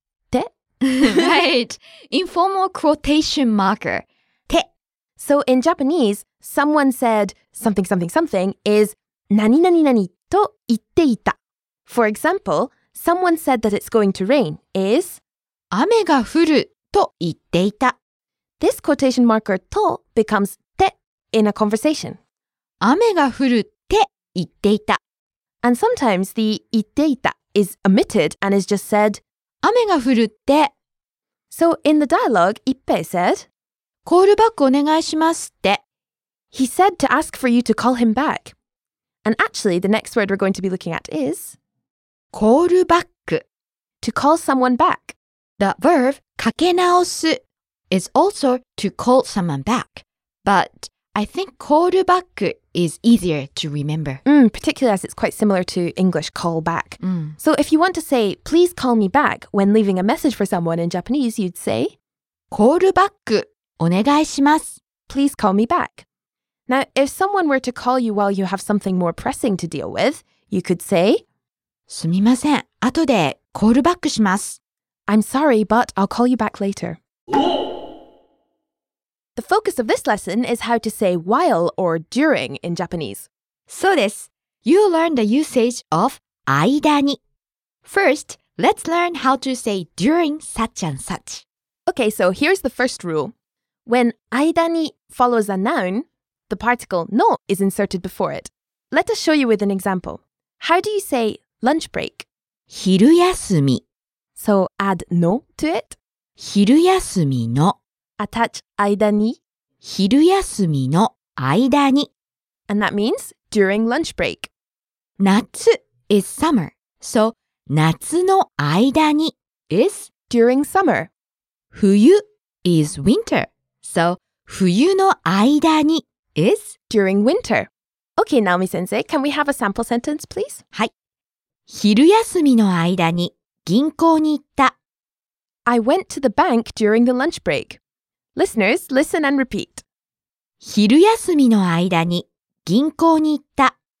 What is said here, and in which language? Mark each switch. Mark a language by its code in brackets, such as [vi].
[en] 手 Right, informal quotation marker. So in Japanese, someone said something, something, something is [ja] 何々何と言っていた。 [en] For example, someone said that it's going to rain is [ja] 雨が降ると言っていた。 [en] This quotation marker と becomes て in a conversation. [ja] 雨が降るって言っていた。 [en] And sometimes the 言っていた is omitted and is just said [ja] 雨が降るって。 [en] So in the dialogue, 一平 said, [ja] コールバックお願いしますって。 [en] He said to ask for you to call him back. And actually, the next word we're going to be looking at is... [ja] コールバック。 [en] To call someone back. The verb かけ直す is also to call someone back. But I think コールバック is easier to remember. Particularly as it's quite similar to English call back. So if you want to say, please call me back when leaving a message for someone in Japanese, you'd say... [ja] コールバック。お願いします。 [en] Please call me back. Now, if someone were to call you while you have something more pressing to deal with, you could say, [ja] すみません。後でコールバックします。 [en] I'm sorry, but I'll call you back later. The focus of this lesson is how to say while or during in Japanese. [ja] そうです。 [en] You learned the usage of 間に。 First, let's learn how to say during such and such. Okay, so here's the first rule. When 間に follows a noun, the particle の is inserted before it. Let us show you with an example. How do you say lunch break? [ja] 昼休み [en] So add のto it. [ja] 昼休みの Attach 間に昼休みの間に [en] And that means during lunch break. 夏 is summer. So [ja] 夏の間に [en] is during summer. 冬 is winter. So, [ja] 冬の間に [en] is during winter. Okay, Naomi-sensei, can we have a sample sentence, please? [ja] はい。昼休みの間に銀行に行った。 [en] I went to the bank during the lunch break. Listeners, listen and repeat. [ja] 昼休みの間に銀行に行った。